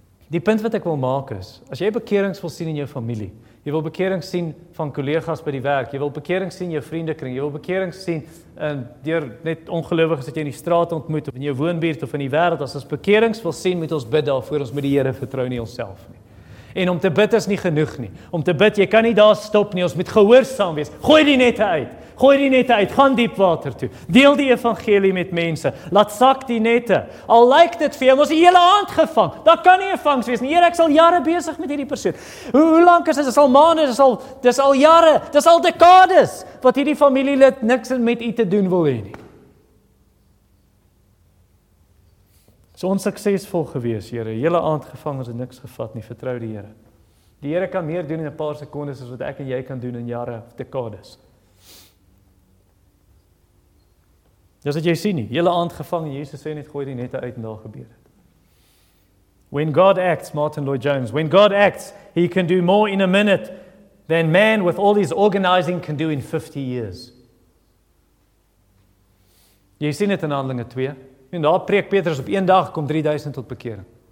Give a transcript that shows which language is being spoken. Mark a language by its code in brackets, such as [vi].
[af] Die punt wat ek wil maak is, as jy bekerings wil sien in jou familie, jy wil bekerings sien van collega's by die werk, jy wil bekerings sien in jou vriendekring, jy wil bekerings sien deur net ongelowiges dat jy in die straat ontmoet, of in jou woonbuurt, of in die wêreld, as ons bekerings wil sien, moet ons bid daarvoor, ons moet die Here vertrou nie onsself nie. En om te bid is nie genoeg nie. Om te bid, jy kan nie daar stop nie, ons moet gehoorsaam wees. Gooi die nette uit, gaan diep water toe. Deel die evangelie met mense, laat sak die nette. Al lyk dit vir jou, ons die hele hand gevang. Daar kan nie 'n vangs wees nie. Heer, ek sal jare besig met hierdie persoon. Hoe lank is dit? Dis al maande, dis al jare, dis al dekades, wat hierdie familielid niks met u te doen wil hê nie. So onsuksesvol gewees, Here. Hele aand gevang, ons het niks gevat nie. Vertrou die Here. Die Here kan meer doen in 'n paar sekondes as wat ek en jy kan doen in jare of dekades. Dis wat jy sien nie. Hele aand gevang, Jesus sê net gooi die nette uit en daar gebeur het. [en] When God acts, Martin Lloyd-Jones, when God acts, he can do more in a minute than man with all his organizing can do in 50 years. [af] Jy sien dit in Handelinge 2. En daar preek Petrus op een dag, kom 3000 tot bekering.